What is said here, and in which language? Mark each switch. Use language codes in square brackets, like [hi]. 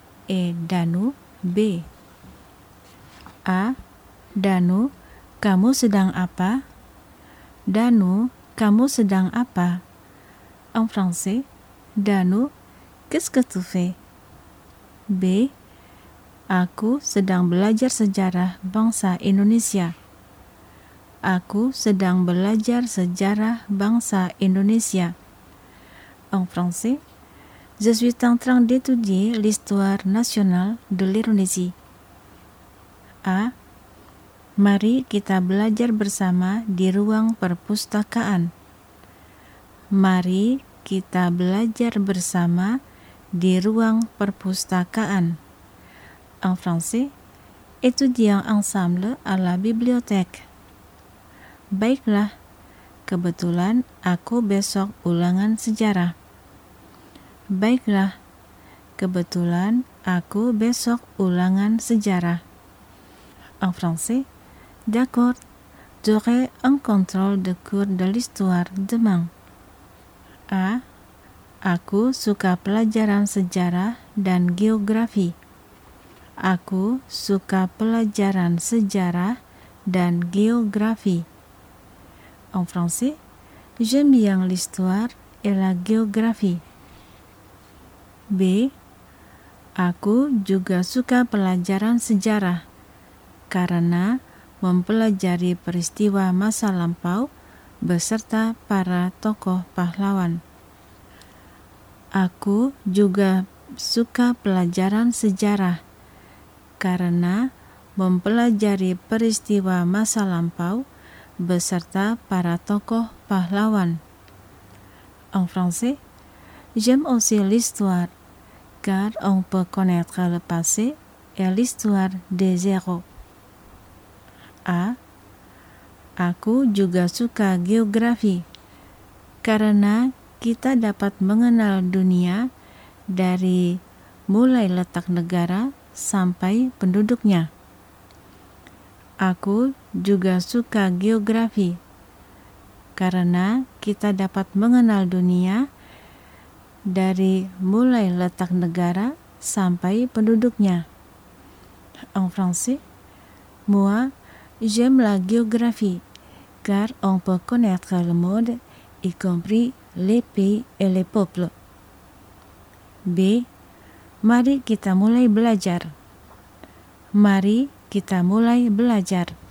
[fr] et Danu B. A. [id] Danu, kamu sedang apa? Danu, kamu sedang apa? [fr] En français, Danu, qu'est-ce que tu fais? B. [id] Aku sedang belajar sejarah bangsa Indonesia. Aku sedang belajar sejarah bangsa Indonesia. [fr] En français, je suis en train d'étudier l'histoire nationale de l'Indonésie. [id] A. Mari kita belajar bersama di ruang perpustakaan. Mari kita belajar bersama di ruang perpustakaan. [fr] en français, étudiant ensemble à la bibliothèque. [id] Baiklah, kebetulan aku besok ulangan sejarah. Baiklah, kebetulan aku besok ulangan sejarah. [fr] En français, d'accord, j'aurai un contrôle de cours de l'histoire demain. A. [id] Aku suka pelajaran sejarah dan geografi. Aku suka pelajaran sejarah dan geografi. [fr] En français, j'aime bien l'histoire et la géographie. B. [id] Aku juga suka pelajaran sejarah karena mempelajari peristiwa masa lampau beserta para tokoh pahlawan. Aku juga suka pelajaran sejarah karena mempelajari peristiwa masa lampau beserta para tokoh pahlawan. [fr] En français, j'aime aussi l'histoire car on peut connaître le passé et l'histoire des héros. A. [id] Aku juga suka geografi karena kita dapat mengenal dunia dari mulai letak negara sampai penduduknya. Aku juga suka geografi karena kita dapat mengenal dunia dari mulai letak negara sampai penduduknya. [fr] En français, moi, j'aime la géographie car on peut connaître le monde y compris les pays et les peuples. B. [id] Mari kita mulai belajar. Mari kita mulai belajar.